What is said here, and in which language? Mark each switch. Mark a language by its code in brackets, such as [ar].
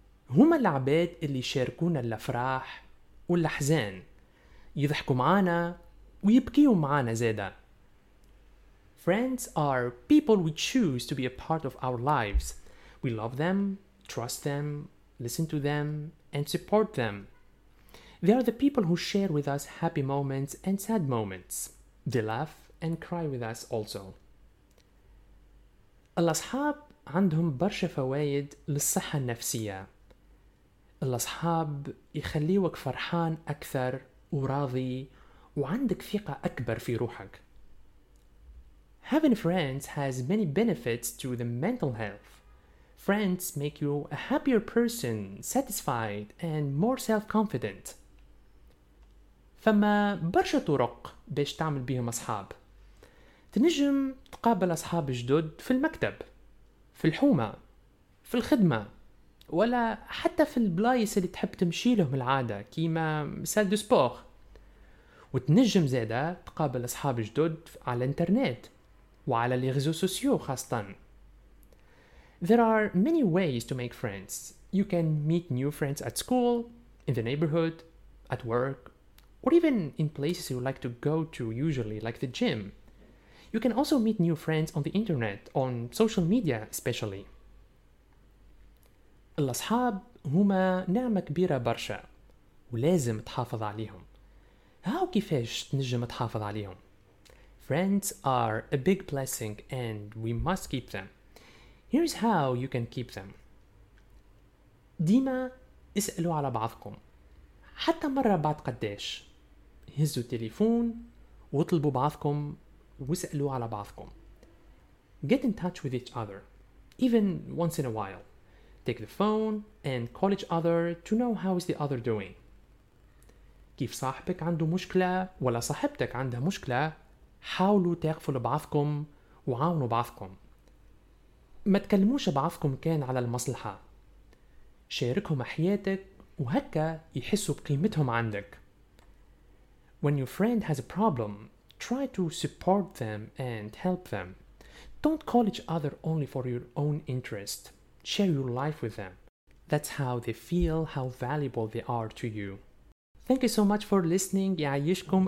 [ar] هما العباد اللي يشاركونا الأفراح والأحزان، يضحكوا معانا ويبكيوا معانا زادا. [en] Friends are people we choose to be a part of our lives. We love them, trust them, listen to them, and support them. They are the people who share with us happy moments and sad moments. They laugh and cry with us also. [ar] الأصحاب عندهم برشا فوائد للصحة النفسية. الأصحاب يخليوك فرحان أكثر وراضي وعندك ثقة أكبر في روحك. [en] Having friends has many benefits to the mental health. Friends make you a happier person, satisfied and more self-confident. [ar] فما برشا طرق باش تعمل بيهم أصحاب. تنجم تقابل أصحاب جدد في المكتب، في الحومة، في الخدمة، ولا حتى في البلايس اللي تحب تمشي لهم العادة كيما سال دو سبور. وتنجم زادا تقابل أصحاب جدد على الانترنت وعلى لي ريزو سوسيو خاصة. [en] There are many ways to make friends. You can meet new friends at school, in the neighborhood, at work, or even in places you like to go to usually, like the gym. You can also meet new friends on the internet, on social media especially. [ar] الأصحاب هما نعمة كبيرة برشا ولازم تحافظ عليهم. هاو كيفاش تنجم تحافظ عليهم؟ [en] Friends are a big blessing and we must keep them. Here's how you can keep them. [ar] ديما اسألوا على بعضكم، حتى مرة بعد قداش. هزوا التليفون واطلبوا بعضكم واسألوا على بعضكم. [en] Get in touch with each other, even once in a while. Take the phone and call each other to know how is the other doing. [ar] كيف صاحبك عنده مشكلة ولا صاحبتك عندها مشكلة، حاولوا تقفوا لبعضكم وعاونوا بعضكم. ما تكلموش بعضكم كان على المصلحة، شاركهم حياتك وهكا يحسوا بقيمتهم عندك. [en] When your friend has a problem, try to support them and help them. Don't call each other only for your own interest. Share your life with them. That's how they feel how valuable they are to you. Thank you so much for listening. [ar] يعيشكم.